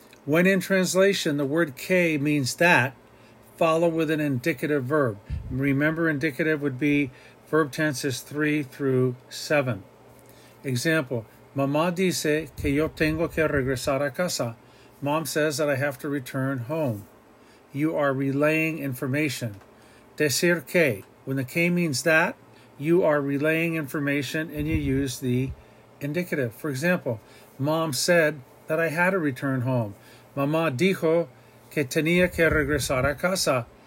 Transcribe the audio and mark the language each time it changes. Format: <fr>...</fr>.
<en>When in translation, the word que means that, follow with an indicative verb. Remember, indicative would be verb tenses 3 through 7. Example,</en> <es>mamá dice que yo tengo que regresar a casa.</es> <en>Mom says that I have to return home. You are relaying information.</en> <es>Decir que.</es> <en>When the que means that, you are relaying information and you use the indicative. For example, mom said that I had to return home.</en> <es>Mamá dijo que tenía que regresar a casa.</es>